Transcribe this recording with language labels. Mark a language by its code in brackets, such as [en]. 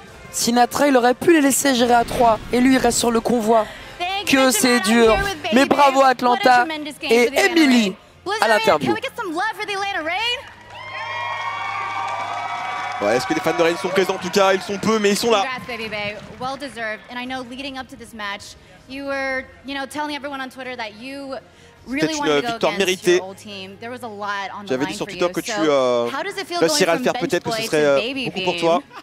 [fr] Sinatra, il aurait pu les laisser gérer à 3. Et lui, il reste sur le convoi. Que c'est dur. Mais bravo à Atlanta et Emily à l'interview. Ouais, est-ce que les fans de Reign sont présents? En tout cas, ils sont peu, mais ils sont là. [en] Congrats, Baby Bay. Well deserved. And I know leading up to this match, you were, you know, telling everyone on Twitter that you really wanted to go victoire against your old team. There was a lot on the line. [fr] J'avais dit sur Twitter que tu réussiras à le faire, peut-être que ce serait beaucoup pour toi.